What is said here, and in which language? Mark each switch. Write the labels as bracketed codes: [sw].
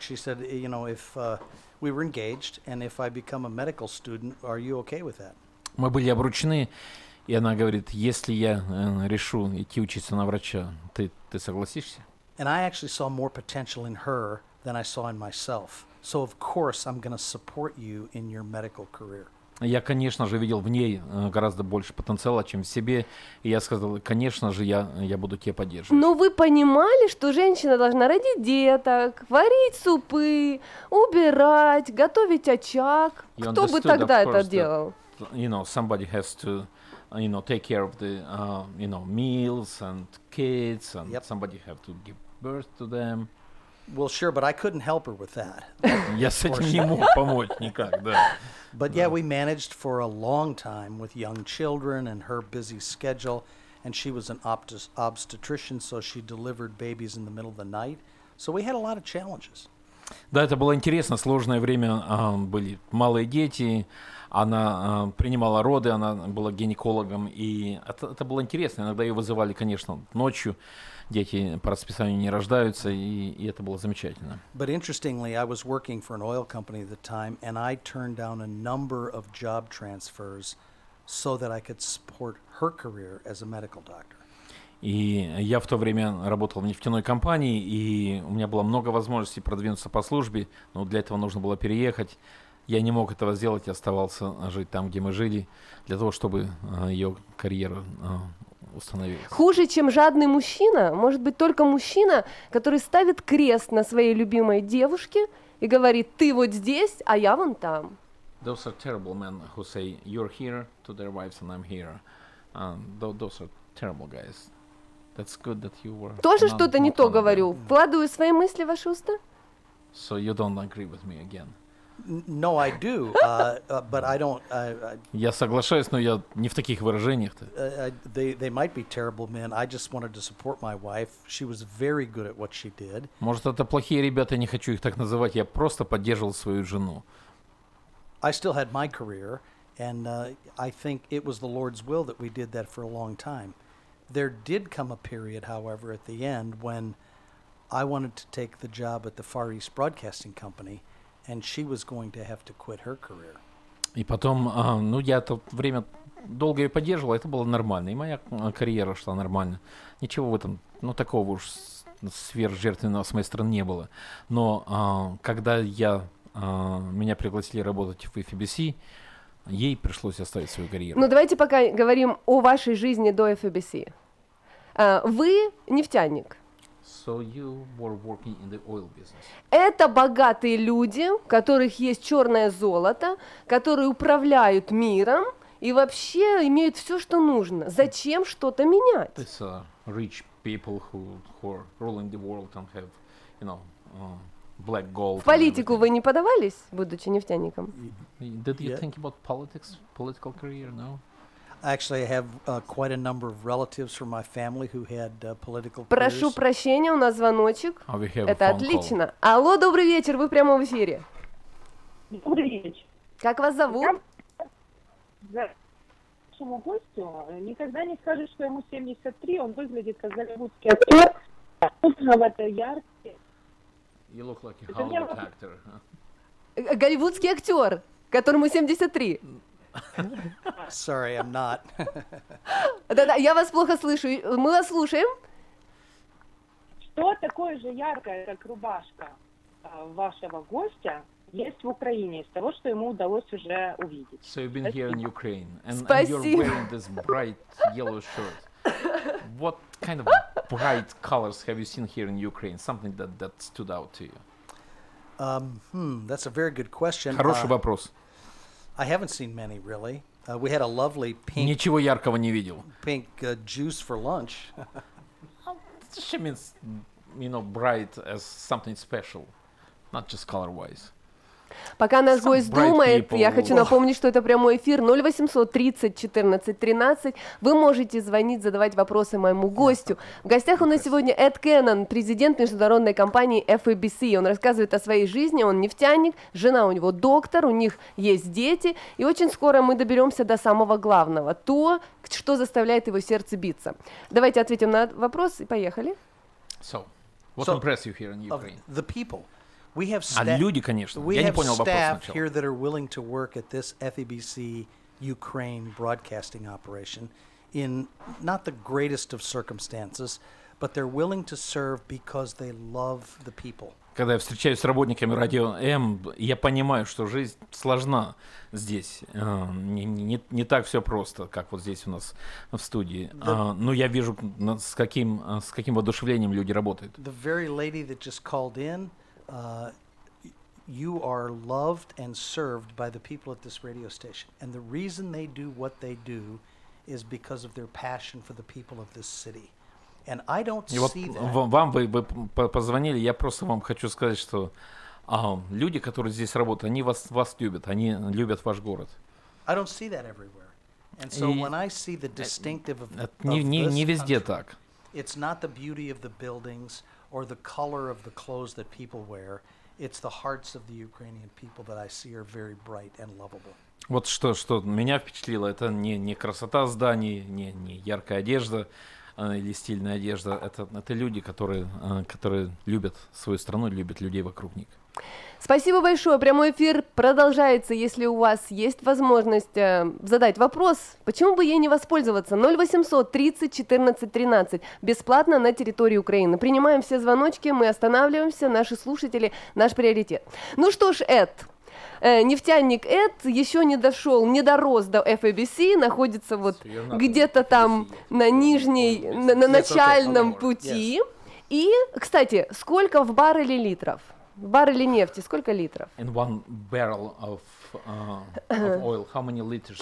[en] She said, you know, if we were engaged and if I become a medical student, are you okay with that? [ru] Мы были обручены, и она говорит, если я решу идти учиться на врача, ты согласишься? [en] And I actually saw more potential in her than I saw in myself. So of course I'm going to support you in your medical career. [ru] Я, конечно же, видел в ней гораздо больше потенциала, чем в себе, и я сказал: "Конечно же, я буду тебя поддерживать". Но вы понимали, что женщина должна родить деток, варить супы, убирать, готовить очаг. Кто бы тогда это делал? [en] You know, somebody has to, you know, take care of the, you know, meals and kids, and yep. Somebody have to give birth to them. Well, sure, but I couldn't help her with that. [ru] Я с этим не мог помочь никак, да. [en] But yeah, we managed for a long time with young children and her busy schedule, and she was an obstetrician, so she delivered babies in the middle of the night. So we had a lot of challenges. [ru] Да, это было интересно, сложное время, были малые дети. Она принимала роды, она была гинекологом, и это было интересно. Иногда ее вызывали, конечно, ночью, дети по расписанию не рождаются, и это было замечательно. [en] But interestingly, I was working for an oil company at the time, and I turned down a number of job transfers so that I could support her career as a medical doctor. [ru] И я в то время работал в нефтяной компании, и у меня было много возможностей продвинуться по службе, но для этого нужно было переехать. Я не мог этого сделать, оставался жить там, где мы жили, для того, чтобы ее карьера установилась. Хуже, чем жадный мужчина, может быть, только мужчина, который ставит крест на своей любимой девушке и говорит: ты вот здесь, а я вон там. [en] Those are terrible men who say you're here to their wives and I'm here. Those are terrible guys. That's good that you were. [ru] Тоже что-то не то говорю. Вкладываю свои мысли в ваши уста. [en] So you don't agree with me again. No, I do, but I don't. [ru] Я соглашаюсь, но я не в таких выражениях-то. [en] They might be terrible men. I just wanted to support my wife. She was very good at what she did. [ru] Может, это плохие ребята? Не хочу их так называть. Я просто поддерживал свою жену. [en] I still had my career, and I think it was the Lord's will that we did that for a long time. There did come a period, however, at the end when I wanted to take the job at the Far East Broadcasting Company. And she was going to have to quit her career. [ru] И потом, ну, я это время долго ее поддерживал, это было нормально. И моя карьера шла нормально. Ничего в этом, ну, такого уж сверхжертвенного с моей стороны не было. Но когда меня пригласили работать в FBC, ей пришлось оставить свою карьеру. Ну, давайте пока говорим о вашей жизни до FBC. Вы нефтяник. [en] So you were working in the oil business. [ru] Это богатые люди, у которых есть черное золото, которые управляют миром и вообще имеют все, что нужно. Зачем что-то менять? [en] These are rich people who are ruling the world and have, you know, black gold. [ru] В политику вы не подавались, будучи нефтяником? [en] Did you think about politics, political career? No. Actually, I have quite a number of relatives from my family who had political [ru] Прошу [en] careers. [ru] Прошу прощения, у нас звоночек. [en] Oh, we have [ru] Это отлично. [en] Call. [ru] Алло, добрый вечер, вы прямо в эфире. Добрый вечер. Как вас зовут? Нашему гостю никогда не скажешь, что ему 73, он выглядит как голливудский актер. В этой ярке. [en] You look like a Hollywood actor. [ru] Голливудский актер, которому 73. [en] Sorry, I'm not. [ru] Да-да, я вас плохо слышу. Мы вас слушаем. Что такое же яркое, как рубашка вашего гостя, есть в Украине из того, что ему удалось уже увидеть? [en] So you've been here in Ukraine, and you're wearing this bright yellow shirt. What kind of bright colors have you seen here in Ukraine? Something that stood out to you? That's a very good question. [ru] Хороший вопрос. [en] I haven't seen many, really. We had a lovely pink... [ru] Ничего яркого не видел. [en] Pink juice for lunch. She means, you know, bright as something special. Not just color-wise. [ru] Пока наш гость думает, я хочу напомнить, что это прямой эфир 0800 30 14 13. Вы можете звонить, задавать вопросы моему гостю. В гостях у нас сегодня Эд Кеннон, президент международной компании FABC. Он рассказывает о своей жизни, он нефтяник, жена у него доктор, у них есть дети. И очень скоро мы доберемся до самого главного, то, что заставляет его сердце биться. Давайте ответим на вопрос и поехали. [en] So, what impressed you here in Ukraine? The people. We have staff here that are willing to work at this FABC Ukraine broadcasting operation in not the greatest of circumstances, but they're willing to serve because they love the people. [ru] Когда я встречаюсь с работниками радио М, я понимаю, что жизнь сложна здесь. Не так все просто, как вот здесь у нас в студии. Но я вижу, с каким воодушевлением люди работают. [en] The very lady that just called in, you are loved and served by the people at this radio station. And the reason they do what they do is because of their passion for the people of this city. And I don't see that. [ru] Вам вы позвонили, я просто вам хочу сказать, что люди, которые здесь работают, они вас любят, они любят ваш город. [en] I don't see that everywhere. And so when I see the distinctive of this country, [ru] не везде так. [en] It's not the beauty of the buildings, or the color of the clothes that people wear, it's the hearts of the Ukrainian people that I see are very bright and lovable. [ru] Вот что меня впечатлило, это не красота зданий, не яркая одежда или стильная одежда, это люди, которые любят свою страну, любят людей вокруг них. Спасибо большое. Прямой эфир продолжается. Если у вас есть возможность задать вопрос, почему бы ей не воспользоваться? 0800 30 14 13. Бесплатно на территории Украины. Принимаем все звоночки, мы останавливаемся, наши слушатели, наш приоритет. Ну что ж, Эд, нефтяник Эд еще не дошел, не дорос до FABC, находится вот где-то там на нижней, на начальном пути. И, кстати, сколько в барреле литров? В барреле нефти сколько литров? [en] In one barrel of oil, how many liters?